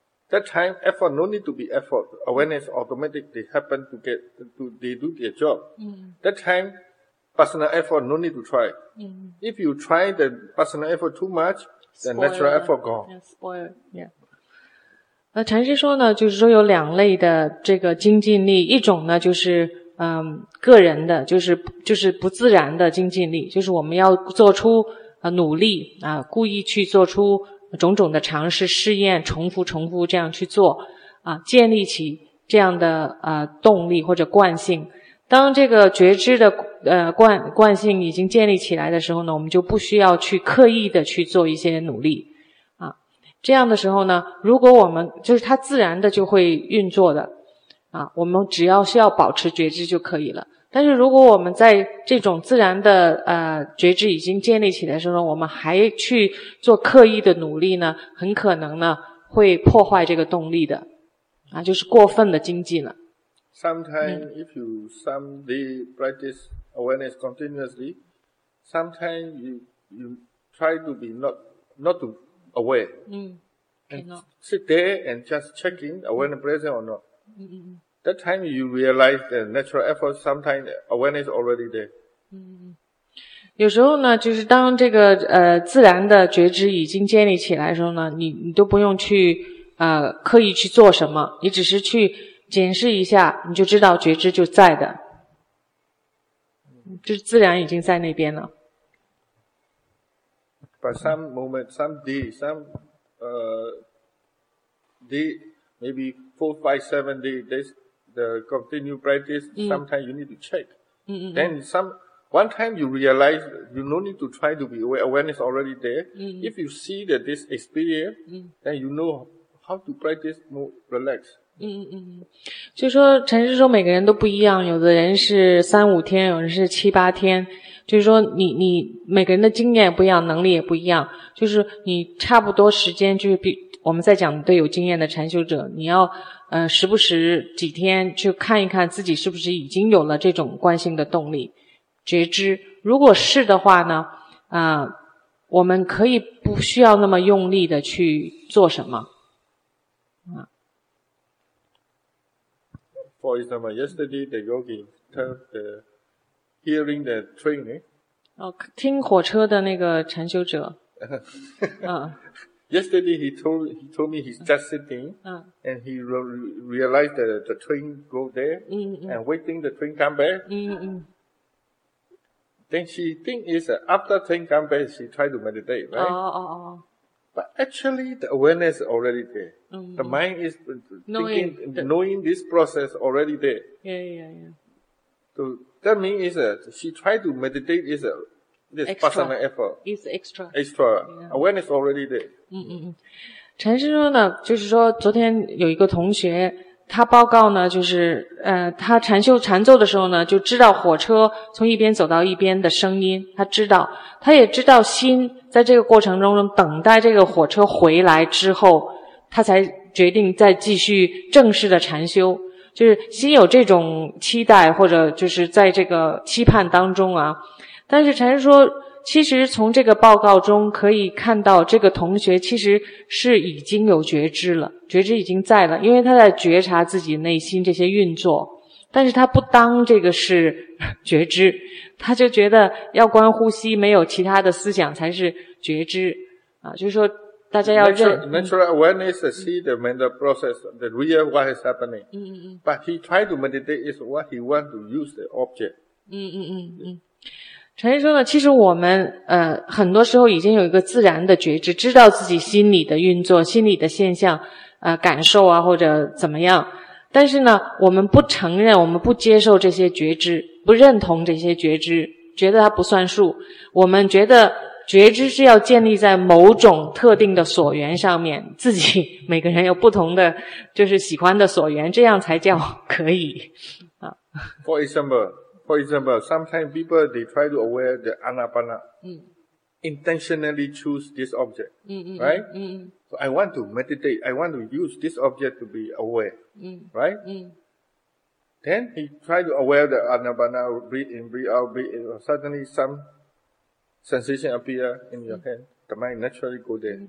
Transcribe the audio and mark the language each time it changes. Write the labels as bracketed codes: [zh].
[en] That time effort, no need to be effort. Awareness automatically happen to get, to, they do their job. That time,personal effort, no need to try. If you try the personal effort too much, then natural effort gone. Spoiled, yeah. [zh] 禅师说呢，就是说有两类的这个精进力，一种呢就是个人的，就是不自然的精进力，就是我们要做出努力啊，故意去做出种种的尝试、试验、重复这样去做啊，建立起这样的动力或者惯性。当这个觉知的惯性已经建立起来的时候呢，我们就不需要去刻意的去做一些努力啊。这样的时候呢，如果我们就是它自然的就会运作的啊，我们只要需要保持觉知就可以了。但是如果我们在这种自然的觉知已经建立起来的时候呢，我们还去做刻意的努力呢，很可能呢会破坏这个动力的啊，就是过分的精进了。 [en] Sometimes, if you someday practice awareness continuously, sometimes you try to be not to aware. Cannot. Sit there and just checking awareness present or not. Mm-hmm. That time you realize the natural effort, sometimes awareness already there. [zh] 有时候呢，就是当这个自然的觉知已经建立起来的时候呢，你都不用去刻意去做什么，你只是去检视一下，你就知道觉知就在的，就是自然已经在那边了。 [en] But some moment, some day, some day, maybe 4, 5, 7 days, this the continue practice. Sometimes you need to check. Then some One time you realize you no need to try to be aware, awareness already there. Mm-hmm. If you see that this experience, mm-hmm. then you know how to practice more relaxed. [zh] 就说陈师说每个人都不一样，有的人是三五天，有人是七八天，就是说你每个人的经验不一样，能力也不一样，就是你差不多时间，就是比我们在讲对有经验的禅修者，你要时不时几天去看一看自己是不是已经有了这种观心的动力觉知。如果是的话呢，我们可以不需要那么用力的去做什么。 [en] For example, yesterday the yogi turned the hearing the train, eh? [zh] Oh, 听火车的那个禅修者。 [en] Yesterday he told me he's just sitting, and he realized that the train go there, and waiting the train come back. Then she think is after train come back, she try to meditate, right? But actually, the awareness is already there. Mm-hmm. The mind is knowing this process already there. Yeah. So that means she tried to meditate is this personal effort. It's extra. Extra. Yeah. Awareness already there. [zh] 陈师说呢，就是说昨天有一个同学，他报告呢，就是他禅坐的时候呢，就知道火车从一边走到一边的声音，他知道，他也知道心在这个过程中等待这个火车回来之后，他才决定再继续正式的禅修，就是心有这种期待或者就是在这个期盼当中啊。但是禅师说，其实从这个报告中可以看到，这个同学其实是已经有觉知了，觉知已经在了，因为他在觉察自己内心这些运作，但是他不当这个是觉知，他就觉得要观呼吸，没有其他的思想才是觉知啊，就是说大家要认 [en] natural awareness see the mental process, the real what is happening. But he try to meditate is what he want to use the object. [zh] 陈师说呢，其实我们很多时候已经有一个自然的觉知，知道自己心里的运作，心里的现象感受啊或者怎么样。但是呢，我们不承认，我们不接受这些觉知，不认同这些觉知，觉得它不算数。我们觉得觉知是要建立在某种特定的所缘上面，自己每个人有不同的就是喜欢的所缘，这样才叫可以。 [en] For example, sometimes people, they try to aware the anapana, intentionally choose this object, right? So I want to meditate, I want to use this object to be aware, right? Then he try to aware the anapana, breathe in, breathe out, breathe in, suddenly some sensation appear in your hand, the mind naturally go there,